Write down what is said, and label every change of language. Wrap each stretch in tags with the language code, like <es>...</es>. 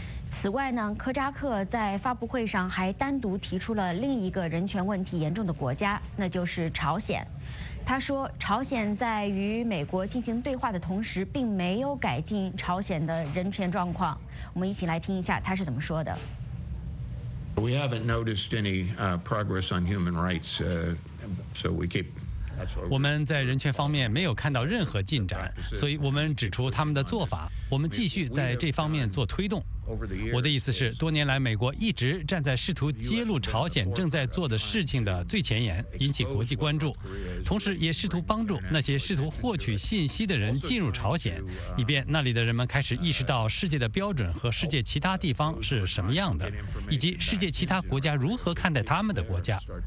<zh>此外呢，科扎克在发布会上还单独提出了另一个人权问题严重的国家，那就是朝鲜。他说，朝鲜在与美国进行对话的同时，并没有改进朝鲜的人权状况。我们一起来听一下他是怎么说的。</zh> <en>We haven't noticed any progress on human rights, so we keep.</en> <zh>我们在人权方面没有看到任何进展，所以我们指出他们的做法，我们继续在这方面做推动。我的意思是，多年来美国一直站在试图揭露朝鲜正在做的事情的最前沿，引起国际关注，同时也试图帮助那些试图获取信息的人进入朝鲜，以便那里的人们开始意识到世界的标准和世界其他地方是什么样的，以及世界其他国家如何看待他们的国家。</zh>